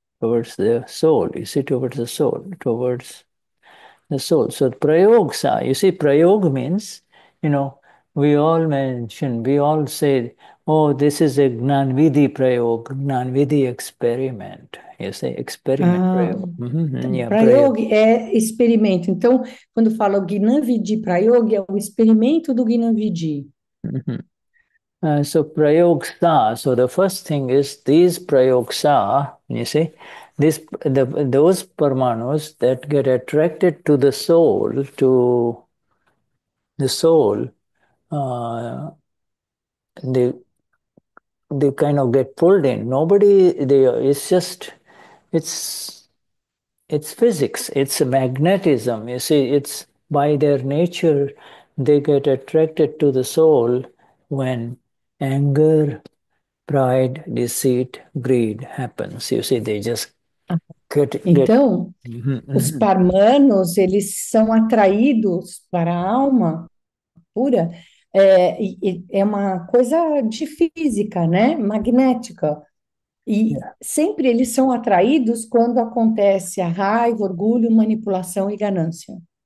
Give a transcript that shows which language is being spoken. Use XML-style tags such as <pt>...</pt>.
<en>towards the soul. Is it towards the soul? Towards the soul. So prayogsa, you see, prayog means, you know, we all mention, we all say, oh, this is a gnanvidhi prayog, gnanvidhi experiment. You say experiment prayog.</en> <pt>Então, yeah, prayog é experimento. Então, quando falo gnanvidhi prayog, é o experimento do gnanvidhi.</pt> <en>So prayogsa, so the first thing is these prayogsa, you see, this the those parmanus that get attracted to the soul, to the soul, they kind of get pulled in. Nobody, they, it's just, it's physics, it's a magnetism, you see, it's by their nature, they get attracted to the soul when anger, pride, deceit, greed happens. You see, they just get...</en> <pt>Então, os parmanos, eles são atraídos para a alma pura. É uma coisa de física, né? Magnética. E sempre eles são atraídos quando acontece a raiva, orgulho, manipulação e ganância.</pt>